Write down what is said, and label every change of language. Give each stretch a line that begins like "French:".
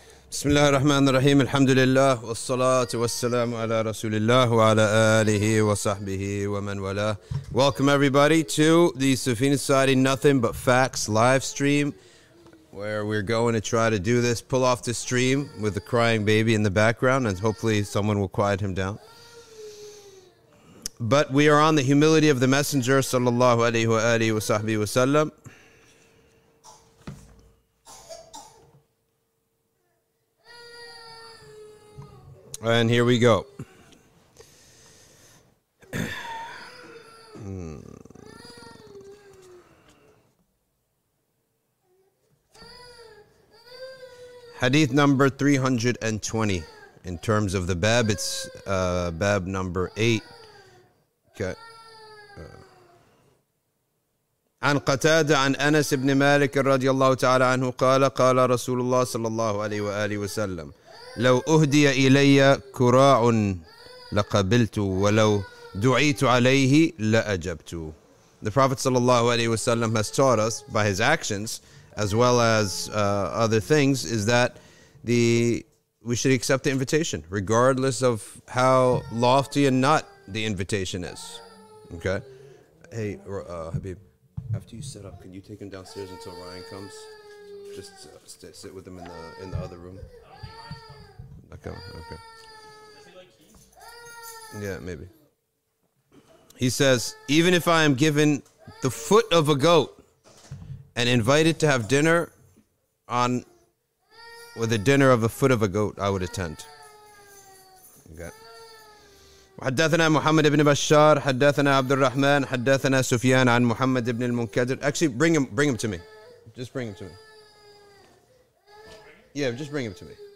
Arabic: بسم الله الرحمن الرحيم الحمد لله والصلاة والسلام على رسول الله وعلى آله وصحبه ومن والاه.
English: Welcome everybody to the Safina Society Nothing But Facts live stream, where we're going to try to do this, pull off the stream with the crying baby in the background, and hopefully someone will quiet him down. But we are on the humility of the Messenger, sallallahu alayhi wa alihi wa sahbihi wa sallam. And here we go. Hadith number 320. In terms of the bab, it's bab number 8.
Arabic: عن قتادة عن أنس بن مالك رضي الله تعالى عنه قال قال رسول الله صلى الله عليه وآله وسلم لو أهدي إلي كراع لقبلت ولو دعيت عليه لأجبت.
English: The Prophet صلى الله عليه وسلم has taught us by his actions as well as other things is that we should accept the invitation regardless of how lofty and not the invitation is. Okay. Hey, Habib, after you set up, can you take him downstairs until Ryan comes? Just sit with him in the other room. Okay. Yeah, maybe. He says, even if I am given the foot of a goat and invited to have dinner with a dinner of a foot of a goat, I would attend. Okay.
Arabic: حدثنا محمد بن بشار حدثنا عبد الرحمن حدثنا سفيان عن محمد بن المنكدر.
English: Actually, bring him to me. Just bring him to me. Yeah, just bring him to me.